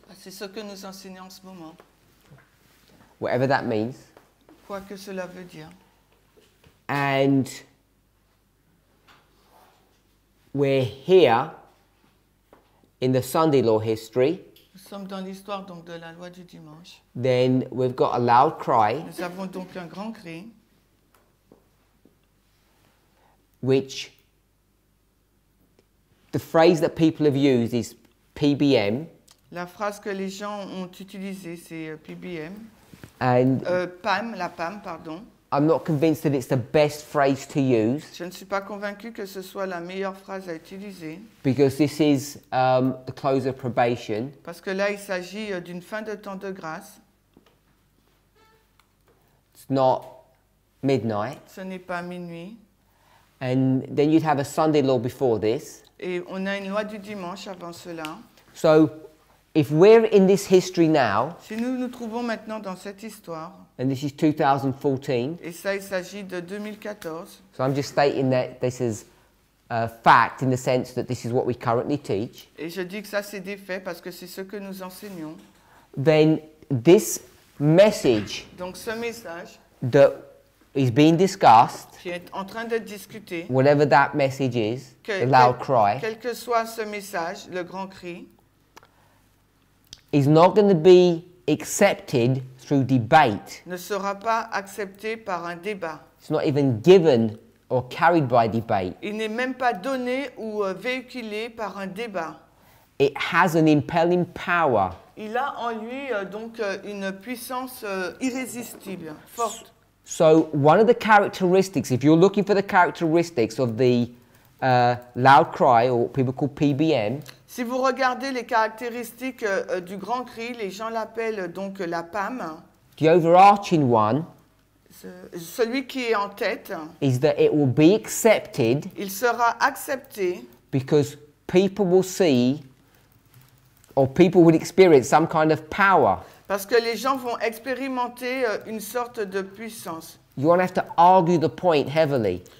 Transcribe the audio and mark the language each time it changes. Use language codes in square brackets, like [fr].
[fr] C'est ce que nous enseignons en ce moment. [en] Whatever that means. [fr] Quoi que cela veut dire. [en] And we're here in the Sunday law history. [fr] Nous sommes dans l'histoire donc de la loi du dimanche. [en] Then we've got a loud cry. [fr] Nous avons donc un grand cri. [en] Which the phrase that people have used is PBM. [fr] La phrase que les gens ont utilisée c'est PBM. [en] And [fr] PAM, la PAM, pardon. [en] I'm not convinced that it's the best phrase to use. [fr] Je ne suis pas convaincu que ce soit la meilleure phrase à utiliser. [en] Because this is the close of probation. [fr] Parce que là, il s'agit d'une fin de temps de grâce. [en] It's not midnight. [fr] Ce n'est pas minuit. [en] And then you'd have a Sunday law before this. [fr] Et on a une loi du dimanche avant cela. [en] So, if we're in this history now. [fr] Si nous nous trouvons maintenant dans cette histoire. [en] And this is 2014. [fr] Et ça, il s'agit de 2014. [en] So I'm just stating that this is a fact in the sense that this is what we currently teach. [fr] Et je dis que ça, c'est des faits parce que c'est ce que nous enseignons. [en] Then this message. [fr] Donc ce message. [en] That is being discussed. [fr] Qui est en train d'être discuté. [en] Whatever that message is. The loud cry. [fr] Quel que soit ce message, le grand cri. [en] Is not going to be accepted through debate. [fr] Ne sera pas accepté par un débat. [en] It's not even given or carried by debate. [fr] Il n'est même pas donné ou véhiculé par un débat. [en] It has an impelling power. [fr] Il a en lui donc une puissance irrésistible, forte. [en] So one of the characteristics, if you're looking for the characteristics of the loud cry or what people call PBM. [fr] Si vous regardez les caractéristiques du grand cri, les gens l'appellent donc la PAM. [en] The overarching one. [fr] Celui qui est en tête. [en] Is that it will be accepted. [fr] Il sera accepté. [en] Because people will see, or people will experience some kind of power. [fr] Parce que les gens vont expérimenter une sorte de puissance. [en] You won't have to argue the point heavily.